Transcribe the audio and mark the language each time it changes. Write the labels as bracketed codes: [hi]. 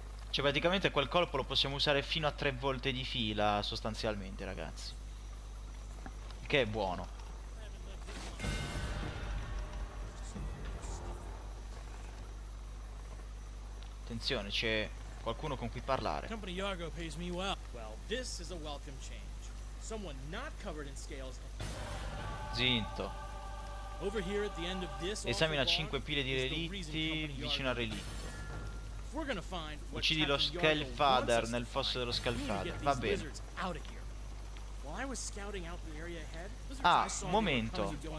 [it] Cioè praticamente quel colpo lo possiamo usare fino a 3 volte di fila sostanzialmente, ragazzi. Che è buono. Attenzione, c'è qualcuno con cui parlare. [en] Company Yago pays me well. Well, this is a welcome change. Someone not covered in scales. Zinto. Over here at the end of this. [it] Esamina 5 pile di relitti vicino al relitto. Uccidi lo Skellfather nel fosso dello Skellfather. Va bene. [en] While I was scouting out the area ahead, ah, [it] momento.